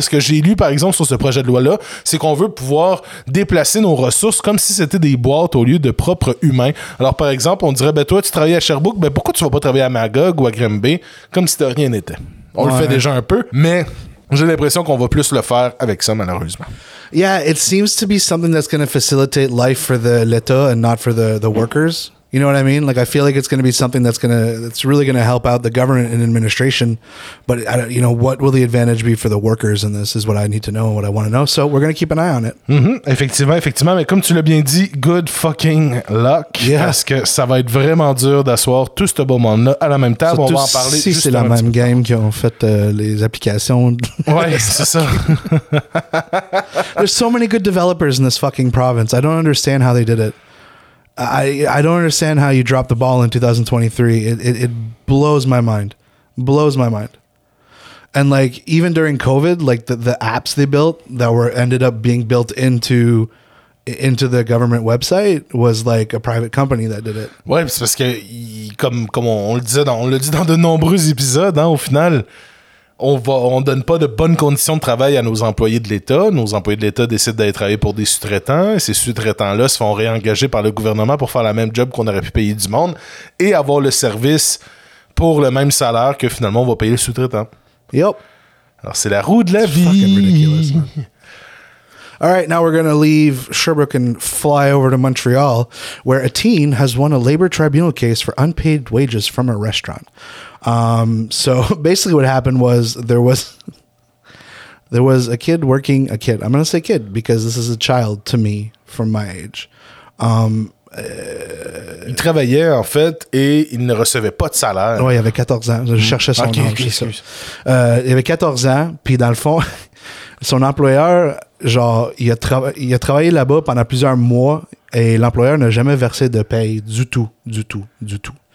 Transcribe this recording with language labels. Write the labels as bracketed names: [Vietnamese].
[French] Ce que j'ai lu, par exemple, sur ce projet de loi-là, c'est qu'on veut pouvoir déplacer nos ressources comme si c'était des boîtes au lieu de propres humains. Alors, par exemple, on dirait, ben, toi, tu travailles à Sherbrooke, ben, pourquoi tu vas pas travailler à Magog ou à Granby, comme si t'as rien n'était. On le fait déjà un peu, mais j'ai l'impression qu'on va plus le faire avec ça, malheureusement. [English] Yeah, it seems to be something that's going to facilitate life for the l'État and not for the workers. You know what I mean? Like, I feel like it's going to be something that's really going to help out the government and administration. But, I don't, you know, what will the advantage be for the workers in this is what I need to know and what I want to know. So, we're going to keep an eye on it. [French] Mm-hmm. Effectivement, effectivement. Mais comme tu l'as bien dit, good fucking luck. [English] Yeah. [French] Parce que ça va être vraiment dur d'asseoir tout ce beau monde-là à la même table. Surtout on va en parler. Si c'est la même game qui ont fait les applications. Ouais, c'est ça. [English] There's so many good developers in this fucking province. I don't understand how they did it. I don't understand how you dropped the ball in 2023. It blows my mind. Blows my mind. And like even during COVID, like the apps they built that were ended up being built into the government website was like a private company that did it. [French] Ouais, c'est parce que comme on le dit dans de nombreux épisodes, hein, au final on donne pas de bonnes conditions de travail à nos employés de l'État. Nos employés de l'État décident d'aller travailler pour des sous-traitants. Et ces sous-traitants-là se font réengager par le gouvernement pour faire la même job qu'on aurait pu payer du monde et avoir le service pour le même salaire que finalement on va payer le sous-traitant. [English] Yep. [French] Alors c'est la roue de la vie. [English] All right, now we're going to leave Sherbrooke and fly over to Montreal, where a teen has won a labor tribunal case for unpaid wages from a restaurant. So basically what happened was there was a kid working, a kid, I'm going to say kid, because this is a child to me from my age. [French] Il travaillait, en fait, et il ne recevait pas de salaire. Oui, il avait 14 ans. Je cherchais son nom. Okay, il avait 14 ans, puis dans le fond, son employeur, genre, il a travaillé là-bas pendant plusieurs mois et l'employeur n'a jamais versé de paye du tout, du tout, du tout.